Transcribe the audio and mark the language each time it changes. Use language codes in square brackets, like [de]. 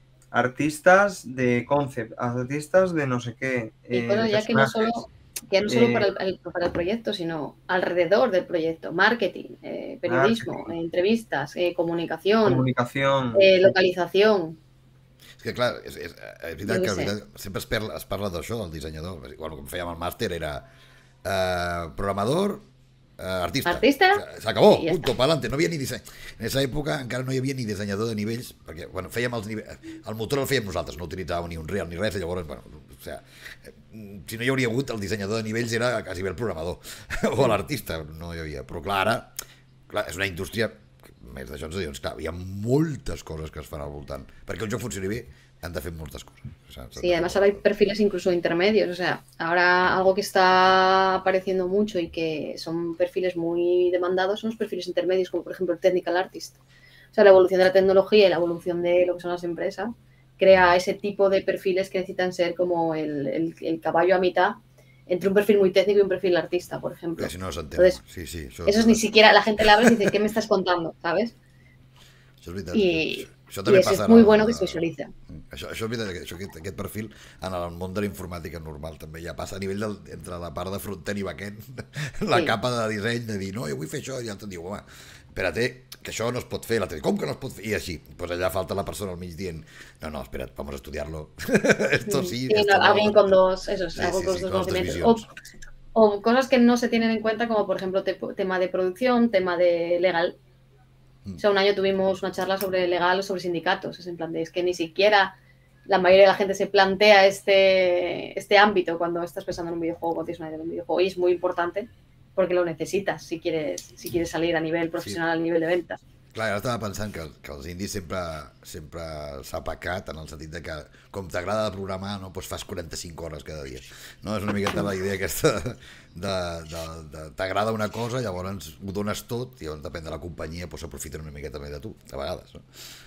[es] Artistas de concept, artistas de no sé qué. Y bueno, ya que no solo para el proyecto, sino alrededor del proyecto, marketing, periodismo, entrevistas, comunicación, localización. [ca] Es que claro, es verdad que siempre has parlat d'això, del dissenyador. Bueno, com fèiem el màster era programador, artista. Artista. [es] S'acabó, punto, pa'lante. [ca] No havia ni disseny. En esa època encara no hi havia ni dissenyador de nivells, perquè bueno, fèiem els nivells, el motor el fèiem nosaltres, no utilitzàvem ni un real ni res, i llavors, bueno, o sea, si no hi hauria hagut, el dissenyador de nivells era quasi bé el programador o l'artista, no hi havia. Però clar, ara, és una indústria, més d'això ens ho diuen, clar, hi ha moltes coses que es fan al voltant. Perquè un joc funcioni bé, han de fer moltes coses. [es] Sí, además ahora hay perfiles incluso intermedios, o sea, ahora algo que está apareciendo mucho y que son perfiles muy demandados son los perfiles intermedios, como por ejemplo el technical artist. O sea, la evolución de la tecnología y la evolución de lo que son las empresas crea ese tipo de perfiles que necesitan ser como el caballo a mitad entre un perfil muy técnico y un perfil artista, por ejemplo. Si no lo entiendo. Entonces, sí, eso es ni siquiera, la gente le abre y dice, ¿qué me estás contando? ¿Sabes? Eso es vital. [ca] Això també passa. És molt bo que es visualitza. Això és veritat, aquest perfil en el món de la informàtica normal també ja passa a nivell entre la part de front-end i back-end, la capa de disseny, de dir, no, jo vull fer això, i l'altre diu, home, espérate, que això no es pot fer, com que no es pot fer? I així, doncs allà falta la persona al mig dient, no, espera't, [es] vamos a estudiarlo. Esto sí. Alguien con dos, eso es, algo con dos conocimientos. O cosas que no se tienen en cuenta, como por ejemplo, tema de producción, tema de legal. O sea, un año tuvimos una charla sobre legal, sobre sindicatos. Es en plan de, es que ni siquiera la mayoría de la gente se plantea este ámbito cuando estás pensando en un videojuego, cuando tienes una idea de un videojuego. Y es muy importante porque lo necesitas si quieres salir a nivel profesional, sí, a nivel de ventas. [ca] Clar, ara estava pensant que els indies sempre s'ha pecat en el sentit de que com t'agrada de programar, no, pues fas 45 hores cada dia. No? És una miqueta la idea aquesta de t'agrada una cosa, llavors ho dones tot i llavors depèn de la companyia, pues aprofiten una miqueta més de tu, de vegades. No?